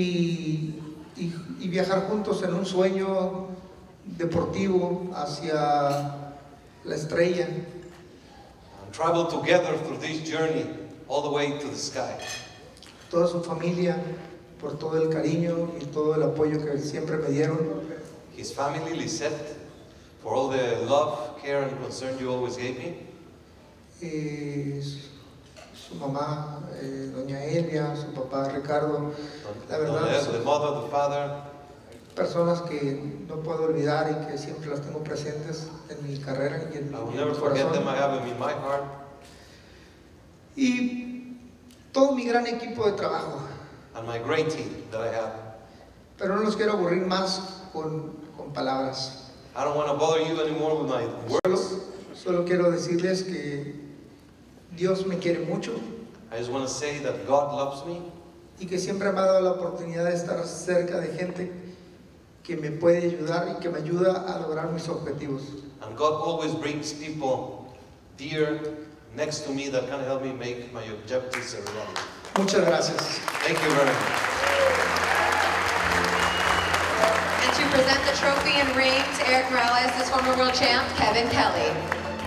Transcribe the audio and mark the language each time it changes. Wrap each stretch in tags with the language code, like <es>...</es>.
<es>Y viajar juntos en un sueño deportivo hacia la estrella.</es> <en>And travel together through this journey all the way to the sky.</en> <es>Toda su familia por todo el cariño y todo el apoyo que siempre me dieron.</es> <en>His family, Lisette, for all the love, care and concern you always gave me.</en> <es>Su mamá, doña Elia, su papá Ricardo, la verdad.</es> <en>The mother, the father.</en> <es>Personas que no puedo olvidar y que siempre las tengo presentes en mi carrera y en mi corazón.</es> <en>I will never forget them, I have them in my heart.</en> <es>Y todo mi gran equipo de trabajo.</es> <en>And my great team that I have.</en> <es>Pero no los quiero aburrir más con palabras.</es> <en>I don't want to bother you anymore with my words.</en> <es>Solo quiero decirles que Dios me quiere mucho.</es> <en>I just want to say that God loves me.</en> <es>Y que siempre me ha dado la oportunidad de estar cerca de gente que me puede ayudar y que me ayuda a lograr mis objetivos.</es> <en>And God always brings people dear next to me that can help me make my objectives a reality.</en> <es>Muchas gracias.</es> <en>Thank you very much. And to present the trophy and ring to Eric Morales, this former world champ, Kevin Kelly.</en>